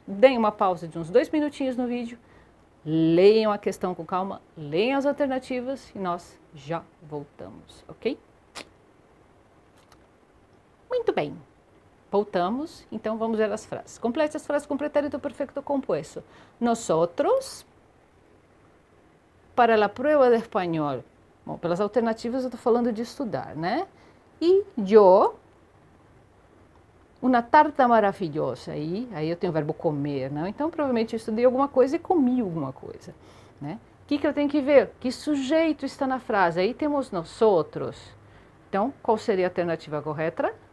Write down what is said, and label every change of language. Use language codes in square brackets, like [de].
[pt] Deem uma pausa de uns 2 minutinhos no vídeo. Leiam a questão com calma, leiam as alternativas e nós já voltamos, ok? Muito bem, voltamos, então vamos ver as frases. Complete as frases com pretérito perfeito composto. [es] Nosotros, para la prueba de español. [pt] Bom, pelas alternativas eu estou falando de estudar, né? E [es] yo, una tarta maravillosa, [pt] aí eu tenho o verbo comer, não? Então, provavelmente eu estudei alguma coisa e comi alguma coisa, né? Que eu tenho que ver? Que sujeito está na frase? Aí temos nós outros. Então, qual seria a alternativa correta?